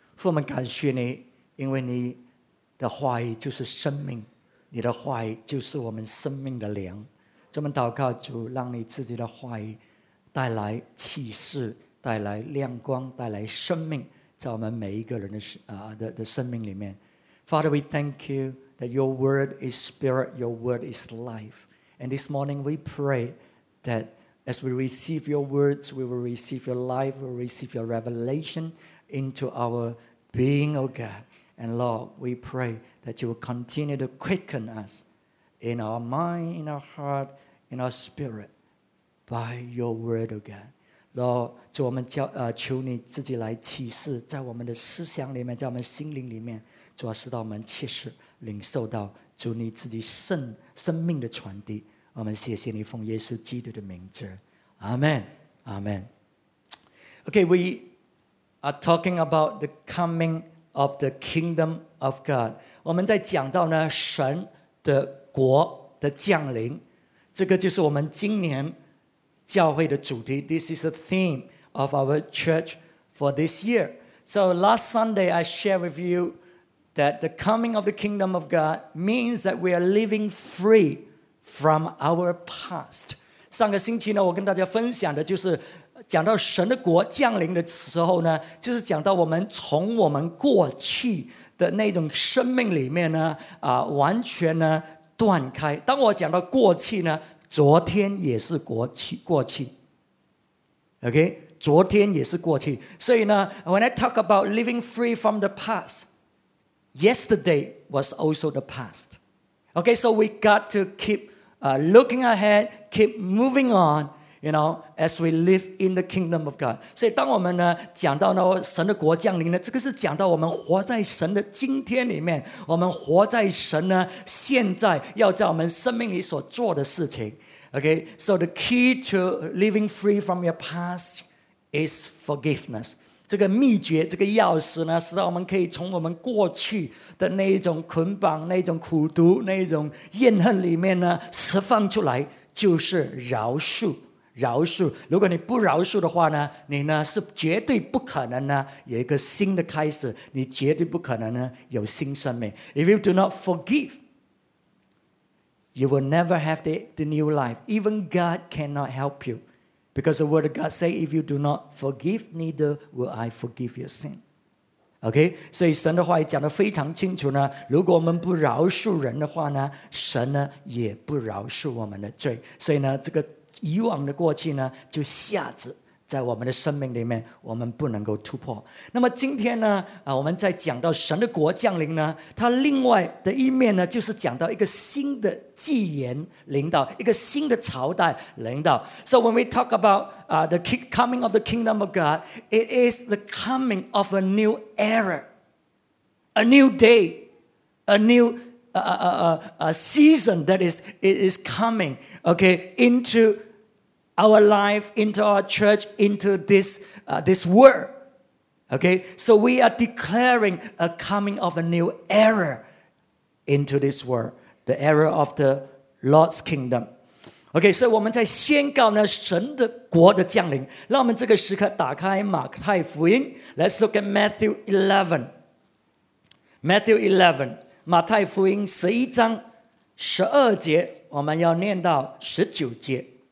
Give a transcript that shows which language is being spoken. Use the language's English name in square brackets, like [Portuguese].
[Chinese] 父，我们感谢你，因为你的话语就是生命，你的话语就是我们生命的粮。这么祷告主，让你自己的话语带来启示，带来亮光，带来生命，在我们每一个人 的生命里面。 [English] Father, we thank you that your word is spirit, your word is life. And this morning we pray that as we receive your words, we will receive your life, we will receive your revelation into our being, O God. And Lord, we pray that you will continue to quicken us in our mind, in our heart, in our spirit by your word, O God. [Chinese] Lord, 主我们求你自己来启示在我们的思想里面，在我们心灵里面，主要使到我们切实领受到主你自己 生命的传递。我们谢谢你，奉耶稣基督的名字， Amen, Amen. [English] Okay, we are talking about the coming of the kingdom of God. [Chinese] 我们在讲到呢神的国的降临，这个就是我们今年教会的主题。 [English] This is the theme of our church for this year. So last Sunday I shared with you that the coming of the kingdom of God means that we are living free from our past. [Chinese] 上个星期呢，我跟大家分享的就是讲到神的国降临的时候呢，就是讲到我们从我们过去的那种生命里面呢，完全呢断开。当我讲到过去呢，昨天也是过去 OK, 昨天也是过去。所以呢 [English] when I talk about living free from the past, yesterday was also the past. OK, so we got to keep looking ahead, keep moving on, you know, as we live in the kingdom of God. [Chinese] 所以当我们呢讲到呢神的国降临呢，这个是讲到我们活在神的今天里面，我们活在神呢现在要在我们生命里所做的事情。 [English] Okay, so the key to living free from your past is forgiveness. [Chinese] 这个秘诀，这个钥匙呢，使到我们可以从我们过去的那一种捆绑、那一种苦毒、那一种怨恨里面呢，释放出来，就是饶恕。饶恕，如果你不饶恕的话呢，你呢是绝对不可能呢有一个新的开始，你绝对不可能呢有新生命。 [English] If you do not forgive,You will never have the new life. Even God cannot help you. Because the word of God says, if you do not forgive, neither will I forgive your sin. Okay? [Chinese] 所以神的话也讲得非常清楚呢，如果我们不饶恕人的话呢，神呢也不饶恕我们的罪。所以呢，这个以往的过去呢，就下子在我们的生命里面，我们不能够突破。那么今天呢，我们在讲到神的国降临呢，它另外的一面呢，就是讲到一个新的纪元临到，一个新的朝代临到。 [English] So when we talk about the coming of the kingdom of God, it is the coming of a new era, a new day, a new season that is coming. Okay, into. Our life, into our church, into this world. Okay, so we are declaring a coming of a new era into this world, the era of the Lord's kingdom. [Chinese] Okay, so 我们在宣告呢神的国的降临。让我们这个时刻打开马太福音。 [English] Let's look at Matthew 11. [Chinese] Matthew 11, 马太福音十一章十二节，我们要念到十九节。